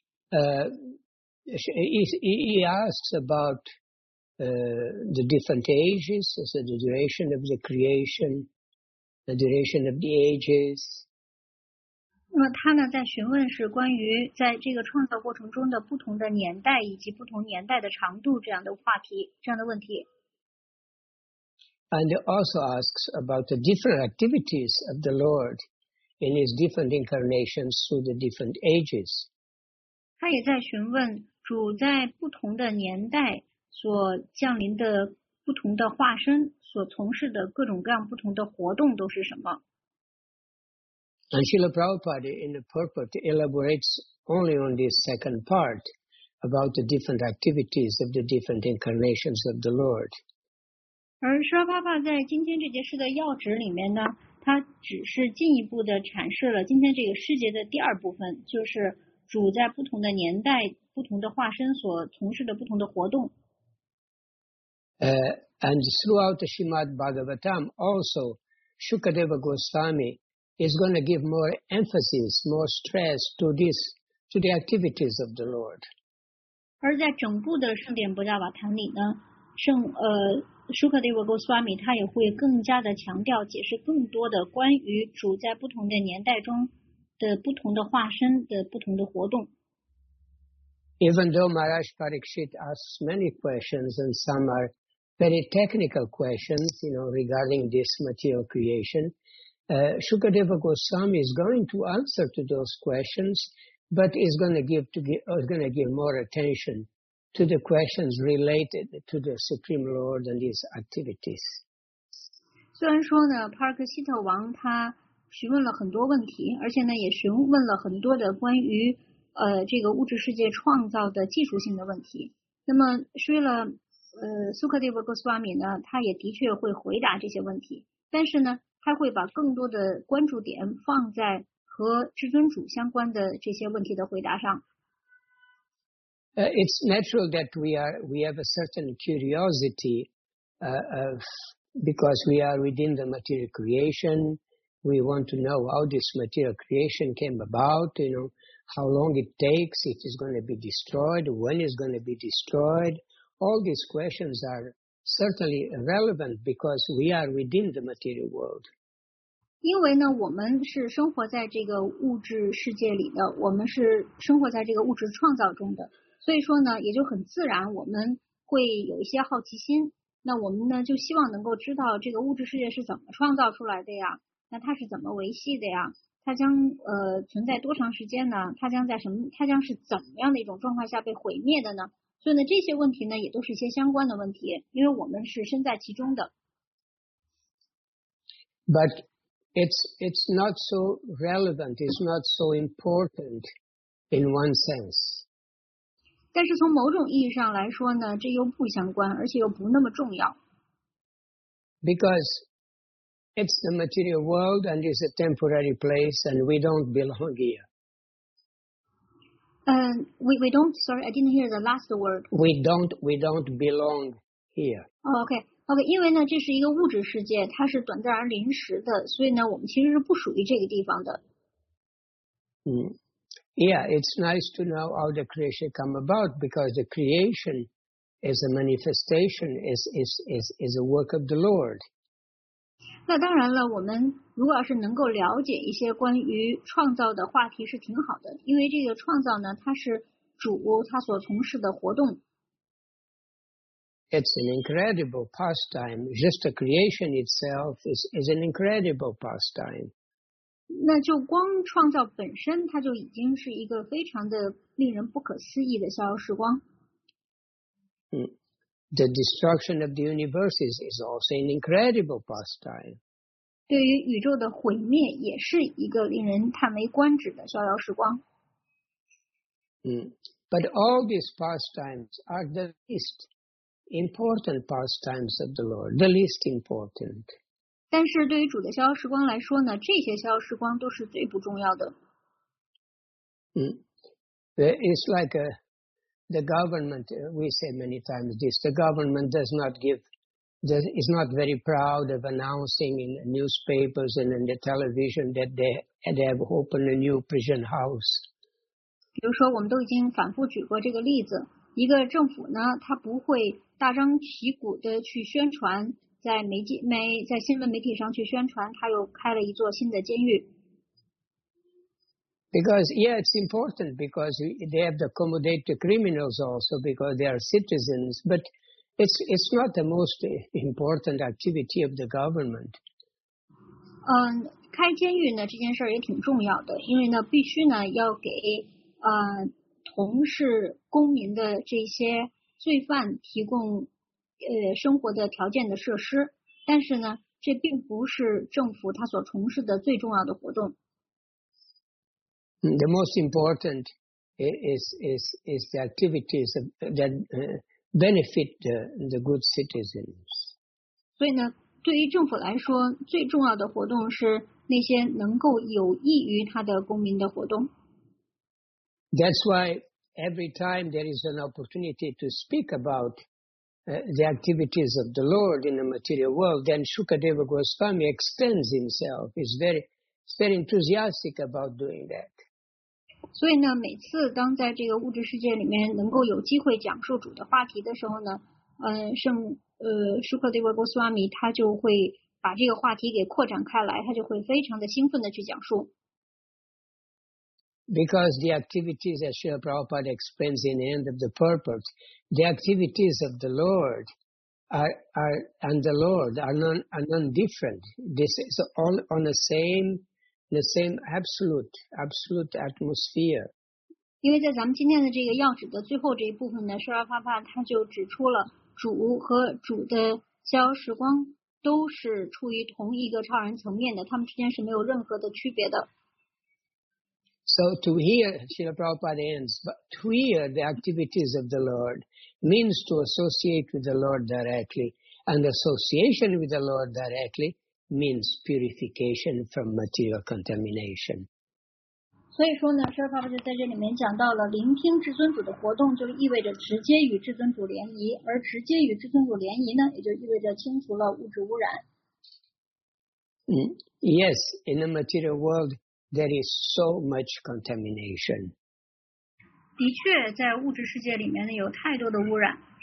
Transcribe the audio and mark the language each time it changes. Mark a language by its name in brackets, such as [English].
[English] He asks about the different ages, so the duration of the creation. The duration of the ages. [Chinese] 那么他呢，在询问是关于在这个创造过程中的不同的年代以及不同年代的长度这样的话题，这样的问题。 [English] And he also asks about the different activities of the Lord in his different incarnations through the different ages. [Chinese] 他也在询问主在不同的年代所降临的不同的化身所从事的各种各样不同的活动都是什么？ [English] And Srila Prabhupada in the purport elaborates only on this second part about the different activities of the different incarnations of the Lord. [Chinese] 而沙拉帕帕在今天这节诗的要旨里面呢，他只是进一步的阐释了今天这个诗节的第二部分，就是主在不同的年代不同的化身所从事的不同的活动。 [English] And throughout the Srimad Bhagavatam also, Shukadeva Goswami is going to give more emphasis, more stress to this, to the activities of the Lord. [Chinese] 而在整部的圣典不加瓦坦里呢，圣Shukadeva Goswami 他也会更加的强调解释更多的关于主在不同的年代中的不同的化身的不同的活动。 [English] Even though Maharaj Parikshit asks many questions and some are very technical questions, you know, regarding this material creation, Shukadeva Goswami is going to answer to those questions but is going to give to give, is going to give more attention to the questions related to the Supreme Lord and his activities. [Chinese] 虽然说呢，帕尔克希特王他询问了很多问题，而且呢也询问了很多的关于这个物质世界创造的技术性的问题。那么虽然苏克蒂维格斯瓦米呢，他也的确会回答这些问题，但是呢他会把更多的关注点放在和至尊主相关的这些问题的回答上。 [English] It's natural that we have a certain curiosity of because we are within the material creation. We want to know how this material creation came about, you know, how long it takes, if it's going to be destroyed, when it's going to be destroyed. All these questions are certainly relevant because we are within the material world. [Chinese] 因为呢，我们是生活在这个物质世界里的，我们是生活在这个物质创造中的，所以说呢，也就很自然我们会有一些好奇心。那我们呢就希望能够知道这个物质世界是怎么创造出来的呀，那它是怎么维系的呀，它将存在多长时间呢，它将在什么，它将是怎么样的一种状况下被毁灭的呢，所以呢这些问题呢也都是一些相关的问题，因为我们是身在其中的。 [English] But it's not so relevant, it's not so important in one sense. [Chinese] 但是从某种意义上来说呢，这又不相关，而且又不那么重要。 [English] Because it's the material world and it's a temporary place and we don't belong here. I didn't hear the last word. We don't belong here.、 Oh, okay, [Chinese] 因为呢，这是一个物质世界，它是短暂而临时的，所以呢，我们其实是不属于这个地方的。 [English] Yeah, it's nice to know how the creation come about because the creation is a manifestation, is a work of the Lord. [Chinese] 那当然了，我们如果要是能够了解一些关于创造的话题是挺好的，因为这个创造呢，它是主他所从事的活动。 [English] It's an incredible pastime. Just the creation itself is an incredible pastime. [Chinese] 那就光创造本身它就已经是一个非常的令人不可思议的逍遥时光。 [English] The destruction of the universe is also an incredible pastime. [Chinese] 对于宇宙的毁灭也是一个令人叹为观止的逍遥时光。 [English] But all these pastimes are the least important pastimes of the Lord, the least important. [Chinese] 但是对于主的逍遥时光来说呢，这些逍遥时光都是最不重要的。 [English] It's like the government, we say many times this, the government does not give, is not very proud of announcing in newspapers and in the television that they have opened a new prison house. [Chinese] 比如说我们都已经反复举过这个例子，一个政府呢，他不会大张旗鼓的去宣传在新闻媒体上去宣传他又开了一座新的监狱。 [English] Because, yeah, it's important because they have to accommodate the criminals also because they are citizens, but it's not the most important activity of the government. [Chinese] 开监狱呢这件事儿也挺重要的，因为呢必须呢要给同是公民的这些罪犯提供生活的条件的设施，但是呢这并不是政府他所从事的最重要的活动。 [English] The most important is the activities that benefit the good citizens. [Chinese] 所以呢对于政府来说最重要的活动是那些能够有益于他的公民的活动。 [English] That's why every time there is an opportunity to speak aboutthe activities of the Lord in the material world, then Shukadeva Goswami extends himself. He's very enthusiastic about doing that. [Chinese] 所以呢，每次当在这个物质世界里面能够有机会讲述主的话题的时候呢，Shukadeva Goswami 他就会把这个话题给扩展开来，他就会非常的兴奋的去讲述。 [English] Because the activities, as Srila Prabhupada explains in the end of the purport, the activities of the Lord are non-different. This is all on the same absolute atmosphere. [Chinese] 因为在咱们今天的这个要旨的最后这一部分呢，舍尔帕帕他就指出了主和主的逍遥时光都是处于同一个超然层面的，他们之间是没有任何的区别的。 [English] So to hear, Srila Prabhupada ends, but to hear the activities of the Lord means to associate with the Lord directly, and association with the Lord directly means purification from material contamination. [Chinese] 所以说呢，舍尔帕帕就在这里面讲到了，聆听至尊主的活动就意味着直接与至尊主联谊，而直接与至尊主联谊呢，也就意味着清除了物质污染。 [English] Yes, in the material world,There is so much contamination. [Chinese] 的确在物质世界里面有太多的污染。